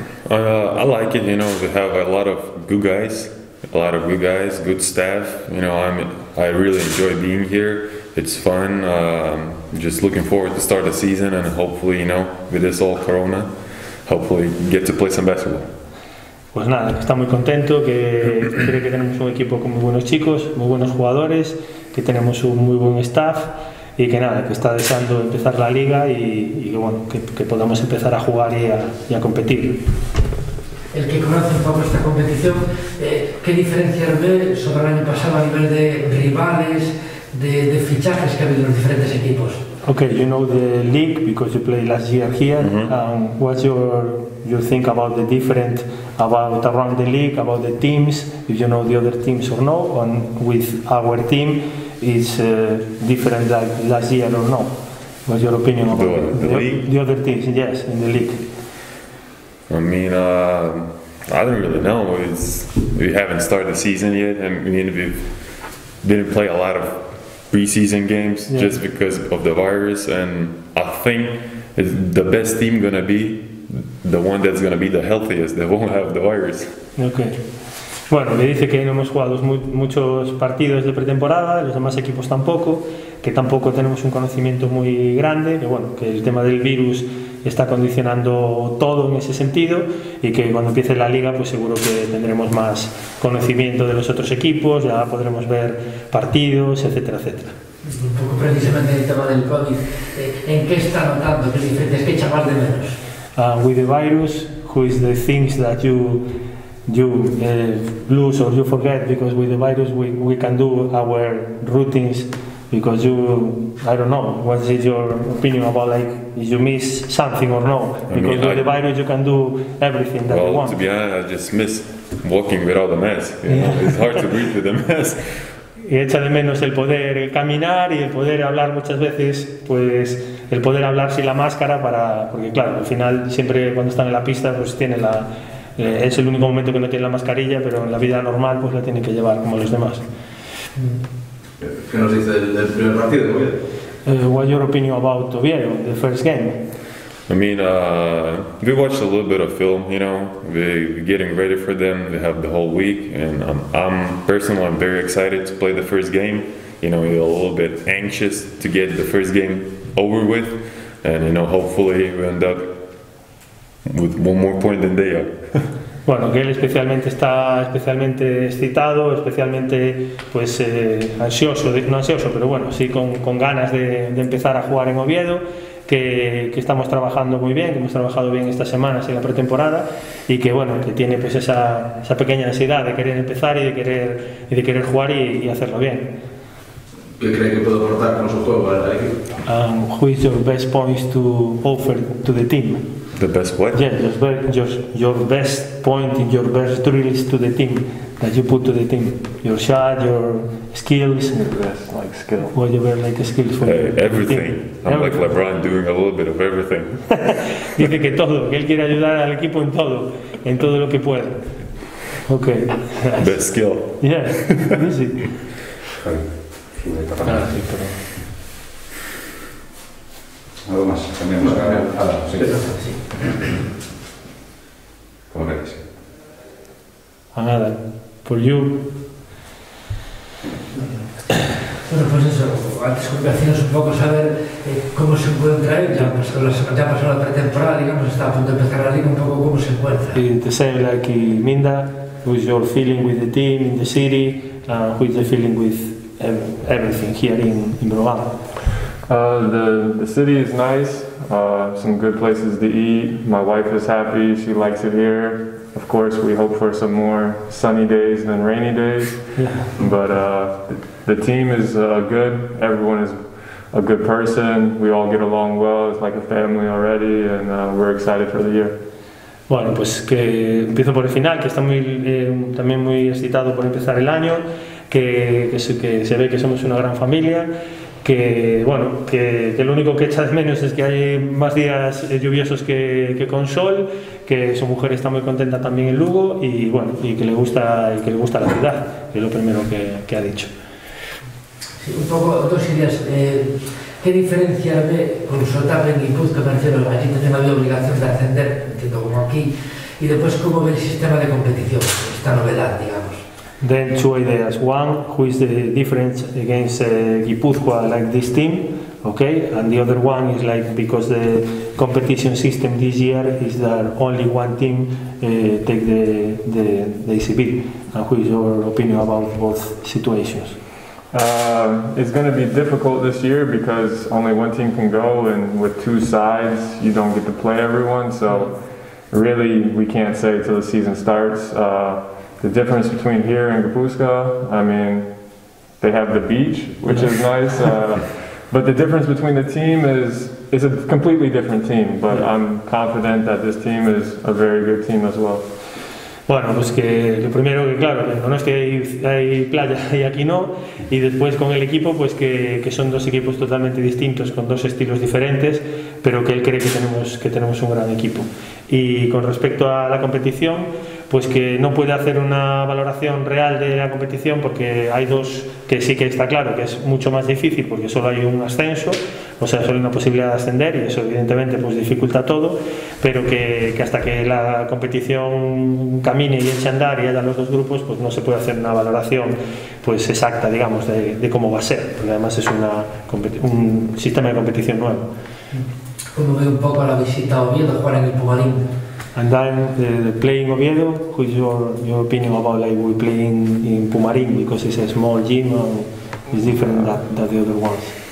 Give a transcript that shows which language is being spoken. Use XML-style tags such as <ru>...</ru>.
<en>I like it. You know, we have a lot of good guys, good staff. You know, I really enjoy being here. It's fun. Just looking forward to start the season, and hopefully, you know, with this all Corona, hopefully get to play some basketball.</en> <es>Pues nada, está muy contento, que cree que tenemos un equipo con muy buenos chicos, muy buenos jugadores, que tenemos un muy buen staff y que nada, que está deseando empezar la liga y que bueno, que podamos empezar a jugar y a competir. El que conoce un poco esta competición, ¿qué diferencias ve sobre el año pasado a nivel de rivales, de fichajes que ha habido en los diferentes equipos?</es> <en>Okay, you know the league because you played last year here. Mm-hmm. What's your you think about the different about around the league, about the teams, if you know the other teams or no, and with our team is different than last year or no? What's your opinion about the other teams? Yes, in the league. I mean, I don't really know. We haven't started the season yet. I mean, we didn't play a lot of preseason games, yeah, just because of the virus, and I think the best team gonna be the one that's gonna be the healthiest, that won't have the virus. Okay.</en> <es>Bueno, me dice que no hemos jugado muchos partidos de pretemporada, los demás equipos tampoco, que tampoco tenemos un conocimiento muy grande, que bueno, que el tema del virus está condicionando todo en ese sentido y que cuando empiece la liga pues seguro que tendremos más conocimiento de los otros equipos, ya podremos ver partidos, etcétera, etcétera. Un poco precisamente el tema del COVID, ¿en qué está notando? ¿Qué diferencias? ¿Qué chaval de menos?</es> <en>With the virus, who is the things that you lose or you forget, because with the virus we can do our routines, because you, I don't know, what is your opinion about, like, you miss something or no? Because with the virus you can do everything that you want. To be honest, I just miss walking without a mask. You know, it's hard to breathe with a mask.</en> <es>Y echa de menos el poder caminar y el poder hablar muchas veces, pues el poder hablar sin la máscara, porque claro, al final siempre cuando están en la pista pues tiene la, es el único momento que no tiene la mascarilla, pero en la vida normal pues la tiene que llevar como los demás. ¿Qué nos dice del primer partido de Oviedo?</es> <en>What's your opinion about Oviedo, the first game? I mean, we watched a little bit of film, you know, we're getting ready for them, we have the whole week, and I'm personally very excited to play the first game. You know, we're a little bit anxious to get the first game over with, and you know, hopefully we end up with one more point than they are.</en> <es>Bueno, que él especialmente está especialmente excitado, especialmente pues ansioso, no ansioso, pero bueno, sí con ganas de empezar a jugar en Oviedo. Que estamos trabajando muy bien, que hemos trabajado bien estas semanas en la pretemporada y que bueno, que tiene pues esa pequeña ansiedad de querer empezar y de querer jugar y hacerlo bien. ¿Qué cree que puede aportar con su juego al equipo?</es> <en>Who is your best points to offer to the team? The best what? Yeah, your best point, your best drills to the team that you put to the team. Your shot, your skills. What you wear like skills for everything. I'm like LeBron doing a little bit of everything.</en> <es>Dice que todo, que él quiere ayudar al equipo en todo lo que pueda.</es> <en>Okay. Best skill. Yeah. Easy.</en> <es>Sí, pero... ¿Algo más? ¿Cambiamos? Sí. ¿Cómo le dice? A nada.</es> <en>For you.</en> <es>Bueno, pues eso, antes con vecinos un poco saber cómo se encuentra él, ya pasó la pretemporada, digamos, está a punto de empezar la liga, un poco cómo se encuentra.</es> <en>Y the same like Minda, who's your feeling with the team in the city, who's the feeling with everything here in Brabant? The city is nice, some good places to eat, my wife is happy, she likes it here. Of course, we hope for some more sunny days than rainy days, yeah. But the team is good, everyone is a good person, we all get along well, it's like a family already, and we're excited for the year.</en> <es>Bueno, pues que empiezo por el final, que está muy, también muy excitado por empezar el año, que se ve que somos una gran familia, que bueno, que lo único que echa de menos es que hay más días lluviosos que con sol, que su mujer está muy contenta también en Lugo y bueno, y que le gusta la ciudad, que es lo primero que ha dicho. Sí, un poco dos ideas. ¿Qué diferencia ve con Sotam en Guipúzcoa, por ejemplo? Allí no tiene la obligación de ascender, entiendo como aquí. Y después, ¿cómo ve el sistema de competición, esta novedad, digamos?</es> <en>Then two ideas. One, who is the difference against Guipúzcoa, like this team, okay? And the other one is like, because the competition system this year is that only one team take the ACB. And who is your opinion about both situations? It's going to be difficult this year because only one team can go, and with two sides, you don't get to play everyone. So really, we can't say till the season starts. The difference between here and Guipúzcoa, I mean, they have the beach, which is nice. But the difference between the team is a completely different team. But I'm confident that this team is a very good team as well.</en> <es>Bueno, pues que lo primero que claro, no es que hay playa y aquí no, y después con el equipo, pues que son dos equipos totalmente distintos, con dos estilos diferentes, pero que él cree que tenemos un gran equipo. Y con respecto a la competición, pues que no puede hacer una valoración real de la competición porque hay dos que sí que está claro que es mucho más difícil porque solo hay un ascenso, o sea, solo hay una posibilidad de ascender y eso evidentemente pues dificulta todo, pero que hasta que la competición camine y eche a andar y haya los dos grupos, pues no se puede hacer una valoración pues exacta, digamos, de cómo va a ser, porque además es un sistema de competición nuevo. ¿Cómo ve un poco la visita a Oviedo, jugar en el Pumarín?</es> <en>And then the playing Oviedo, what is your opinion about like we playing in Pumarín, because it's a small gym and it's different than the other ones?</en>